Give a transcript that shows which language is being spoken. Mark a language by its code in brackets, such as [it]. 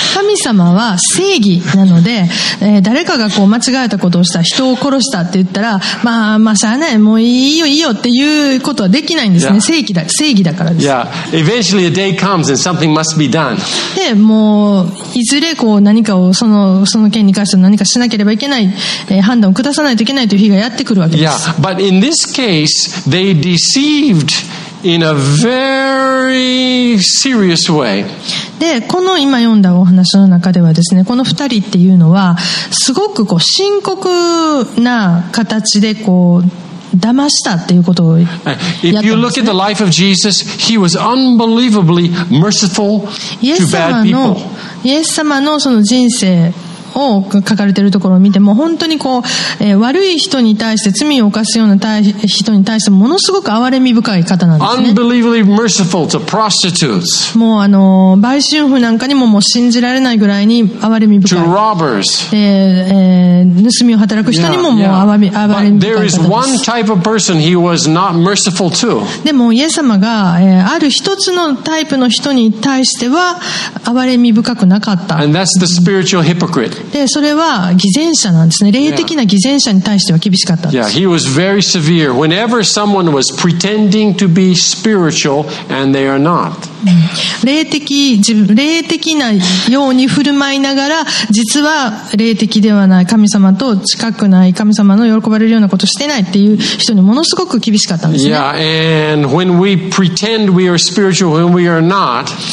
[ja] 神様は正義なので、誰かがこう間違えたことをした、人を殺したって言ったら、まあまあしゃあない、もういいよいいよっていうことはできないんですね。正義だからです。 [en] Yeah. Eventually a day comes and something must be done. [ja] で、もういずれこう何かをその件に関して何かしなければいけない、判断を下さないといけないという日がやってくるわけです。 [en] Yeah. But in this case, they deceived in a very serious way. [ja] で、この今読んだお話の中ではですね、この二人っていうのはすごくこう深刻な形でこう騙したっていうことをやったんですね。 [en] If you look at the life of Jesus, he was unbelievably merciful to bad people. [ja] イエス様のその人生を書かれているところを見ても本当にこう、悪い人に対して罪を犯すような人に対してものすごく憐れみ深い方なんですね。 [en] Unbelievably merciful to prostitutes. [ja] もう売春婦なんかにももう信じられないぐらいに憐れみ深い。 [en] To robbers. [ja] 盗みを働く人にももう憐れみ深い方です。 [en] But there is one type of person he was not merciful to. [ja] でもイエス様が、ある一つのタイプの人に対しては憐れみ深くなかった。 [en] And that's the spiritual hypocrite. [ja] で、それは偽善者なんですね。霊的な偽善者に対しては厳しかったんです。 [en] Yeah, he was very severe. Whenever someone was pretending to be spiritual and they are not. [ja] 霊的なように振る舞いながら実は霊的ではない、神様と近くない、神様の喜ばれるようなことをしてないっていう人にものすごく厳しかったんですね。 [en] Yeah, and when we pretend we are spiritual when we are not.